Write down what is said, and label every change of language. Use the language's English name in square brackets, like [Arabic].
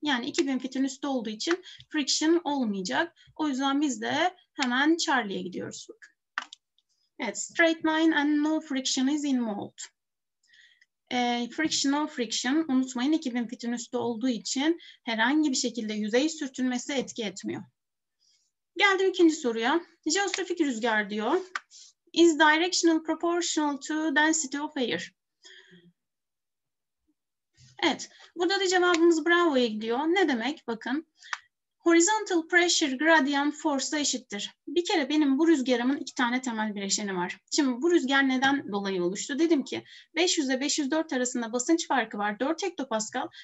[Turkish] Yani 2000 fitin üstü olduğu için friction olmayacak. O yüzden biz de hemen Charlie'ye gidiyoruz. Evet, [English] straight line and no friction is involved. Friction, no friction. [Turkish] Unutmayın 2000 fitin üstü olduğu için herhangi bir şekilde yüzey sürtünmesi etki etmiyor. Geldim ikinci soruya. Jeostrofik rüzgar diyor. [English] Is directional proportional to density of air? [Turkish] Evet, burada da cevabımız bravo'ya gidiyor. Ne demek? Bakın, Horizontal pressure gradient force'a eşittir. Bir kere benim bu rüzgarımın iki tane temel bileşeni var. Şimdi bu rüzgar neden dolayı oluştu? Dedim ki 500 ile 504 arasında basınç farkı var. 4 hektopaskal.